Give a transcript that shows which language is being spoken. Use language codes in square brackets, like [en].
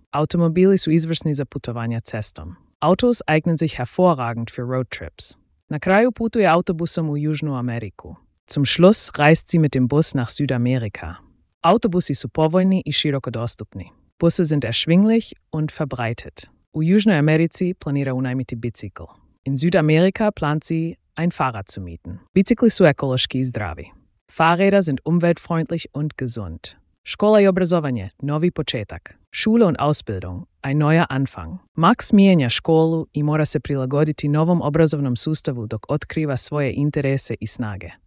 [hr] Automobili su izvrsni za putovanja cestom. [de] Autos eignen sich hervorragend für Roadtrips. [hr] Na kraju putuje autobusom u Južnu Ameriku. [de] Zum Schluss reist sie mit dem Bus nach Südamerika. [hr] Autobusi su povoljni i široko dostupni. [de] Busse sind erschwinglich und verbreitet. [hr] U Južnoj Americi planira unajmiti bicikl. [de] In Südamerika plant sie ein Fahrrad zu mieten. [hr] Bicikli su ekološki i zdravi. [de] Fahrräder sind umweltfreundlich und gesund. [hr] Škola i obrazovanje, novi početak. [de] Schule und Ausbildung, ein neuer Anfang. [hr] Max mijenja školu i mora se prilagoditi novom obrazovnom sustavu dok otkriva svoje interese i snage.